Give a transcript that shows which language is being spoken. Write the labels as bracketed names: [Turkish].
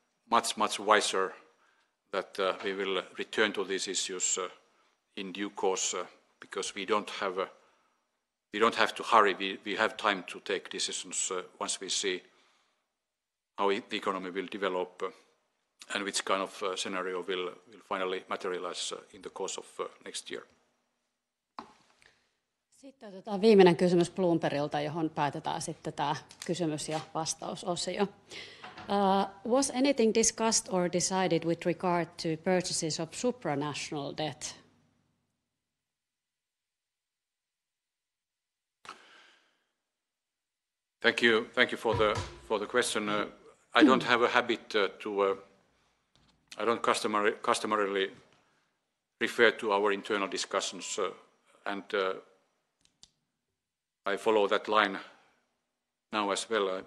[English] much, much wiser that we will return to these issues in due course, because we don't have to hurry. We have time to take decisions once we see how the economy will develop and which kind of scenario will finally materialize in the course of next year. [Finnish] Sitten otetaan viimeinen kysymys Bloombergilta, johon päätetään sitten tämä kysymys- ja vastausosio. [English] Was anything discussed or decided with regard to purchases of supranational debt? Thank you. Thank you for the question. I don't have a habit I don't customarily refer to our internal discussions, and I follow that line now as well.